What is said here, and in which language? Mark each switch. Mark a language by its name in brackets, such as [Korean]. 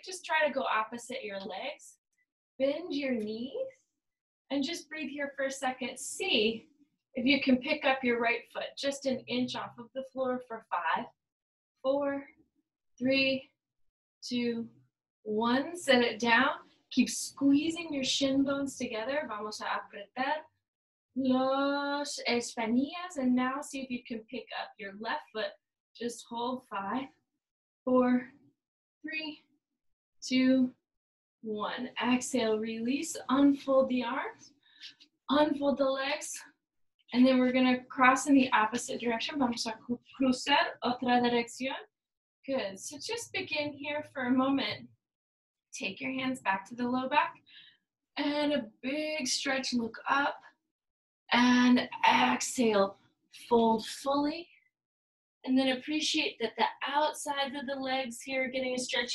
[English] Just try to go opposite your legs. Bend your knees and just breathe here for a second. See if you can pick up your right foot just an inch off of the floor for 5, 4, 3, 2, 1. Set it down. Keep squeezing your shin bones together. [Spanish] Vamos a apretar los espinillas. [English] And now see if you can pick up your left foot. Just hold 5, 4, 3, 2, 1. Exhale, release, unfold the arms, unfold the legs, and then we're gonna cross in the opposite direction. [Spanish] Vamos a cruzar otra dirección. [English] Good, so just begin here for a moment. Take your hands back to the low back and a big stretch, look up and exhale, fold fully. And then appreciate that the outsides of the legs here are getting a stretch.